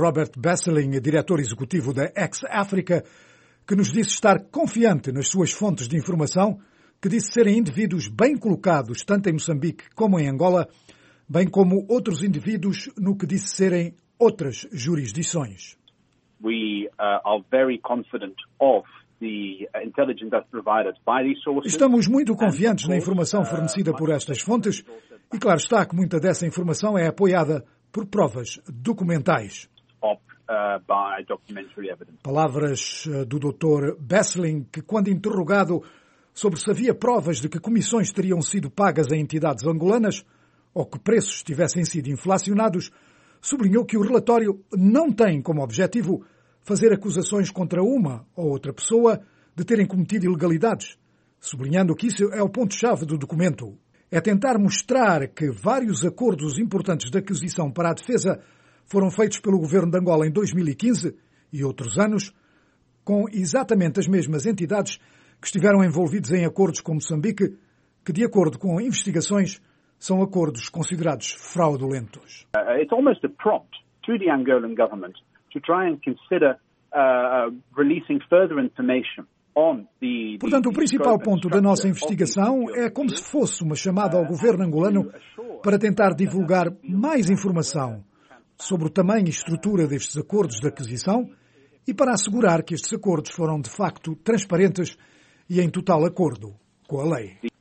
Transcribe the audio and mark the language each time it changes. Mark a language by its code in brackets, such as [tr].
[pt] Robert Besseling, diretor executivo da Ex-África, que nos disse estar confiante nas suas fontes de informação, que disse serem indivíduos bem colocados, tanto em Moçambique como em Angola, bem como outros indivíduos no que disse serem outras jurisdições. [en] We are very confident of the intelligence that's provided by these sources. [pt] Estamos muito confiantes na informação fornecida por estas fontes e claro está que muita dessa informação é apoiada por provas documentais. [en] By documentary evidence. [pt] Palavras do Dr. Besseling, que quando interrogado sobre se havia provas de que comissões teriam sido pagas a entidades angolanas, ou que preços tivessem sido inflacionados, sublinhou que o relatório não tem como objetivo fazer acusações contra uma ou outra pessoa de terem cometido ilegalidades, sublinhando que isso é o ponto-chave do documento. É tentar mostrar que vários acordos importantes de aquisição para a defesa foram feitos pelo governo de Angola em 2015 e outros anos, com exatamente as mesmas entidades que estiveram envolvidas em acordos com Moçambique, que, de acordo com investigações, são acordos considerados fraudulentos. [en] It's almost a prompt to the Angolan government to try and consider releasing further information. [pt] Portanto, o principal ponto da nossa investigação é como se fosse uma chamada ao governo angolano para tentar divulgar mais informação sobre o tamanho e estrutura destes acordos de aquisição e para assegurar que estes acordos foram, de facto, transparentes e em total acordo com a lei.